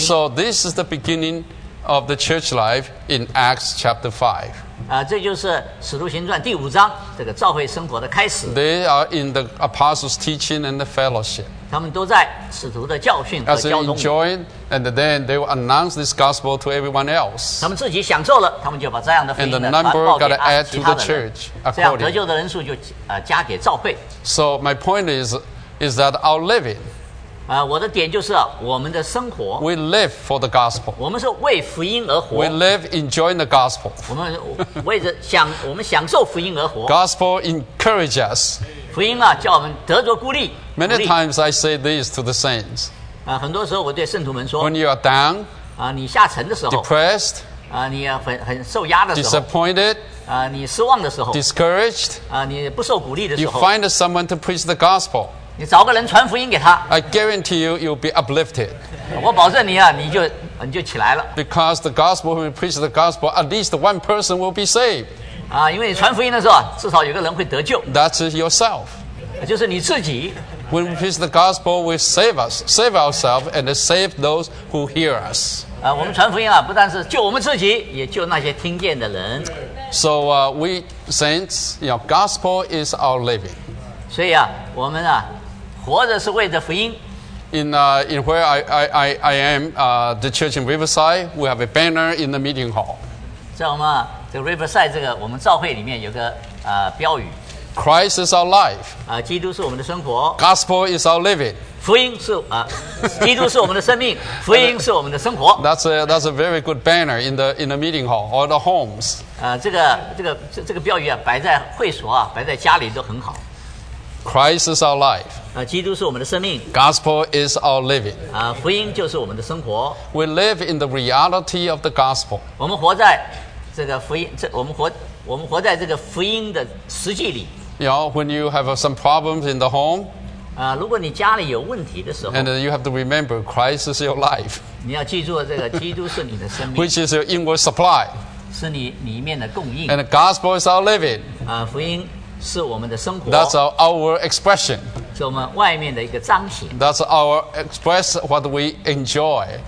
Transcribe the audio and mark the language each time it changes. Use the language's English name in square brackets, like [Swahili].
[English] So this is the beginning of the church life in Acts chapter 5. [Chinese] 这就是《使徒行传》第五章这个教会生活的开始。 [English] They are in the apostles' teaching and the fellowship. [Chinese] 他们都在使徒的教训和教宗里。 [English] As they enjoyed, and then they will announce this gospel to everyone else. [Chinese] 他们自己享受了，他们就把这样的福音的传报给其他人。 [English] And the number got to add to the church. [Chinese] 这样得救的人数就加给教会。 [English] So my point is that our living. [Chinese] 我的点就是我们的生活。 [English] We live for the gospel. [Chinese] 我们是为福音而活。 [English] We live enjoying the gospel. [Chinese] 我们为着我们享受福音而活。 [English] Gospel encourages us. [Chinese] 福音啊，叫我们得着鼓励。 [English] Many times I say this to the saints. [Chinese] 很多时候我对圣徒们说。 [English] When you are down. [Chinese] 你下沉的时候。 [English] Depressed. [Chinese] 你很受压的时候。 [English] Disappointed. [Chinese] 你失望的时候。 [English] Discouraged. [Chinese] 你不受鼓励的时候。 [English] You find someone to preach the gospel. [Chinese] 你找个人传福音给他。 [English] I guarantee you, you'll be uplifted. [Chinese] 我保证你你就起来了。 [English] Because the gospel, when you preach the gospel, at least one person will be saved. [Chinese] 因为你传福音的时候，至少有个人会得救。 [English] That's yourself. [Chinese] 就是你自己。 [English] When we preach the gospel, we save us, save ourselves, and save those who hear us. [Chinese] 我们传福音不但是救我们自己，也救那些听见的人。 [English] So we saints, you know, gospel is our living. [Chinese] 所以我们活着是为着福音。 [English] In where I am, the church in Riverside, we have a banner in the meeting hall. [Chinese] 在我们这个 Riverside 这个我们教会里面有个标语。 [English] Christ is our life. [Chinese] 基督是我们的生活。 [English] Gospel is our living. [Chinese] 福音是基督是我们的生命，福音是我们的生活。 [English] That's a very good banner in the meeting hall or the homes. [Chinese] 这个标语摆在会所摆在家里都很好。 [English] Christ is our life. [Chinese] 基督是我们的生命。 [English] Gospel is our living. [Chinese] 福音就是我们的生活。 [English] We live in the reality of the gospel. [Chinese] 我们活在这个福音，我们活在这个福音的实际里。 [English] You know, when you have some problems in the home. [Chinese] 如果你家里有问题的时候。 [English] And you have to remember, Christ is your life. [Chinese] 你要记住这个基督是你的生命。 [English] Which is your inward supply. [Chinese] 是你里面的供应。 [English] And the gospel is our living. [Chinese] 福音。是我们的生活。 [English] That's our outward expression. [Chinese] 是我们外面的一个彰显。 [English] That's our express what we enjoy.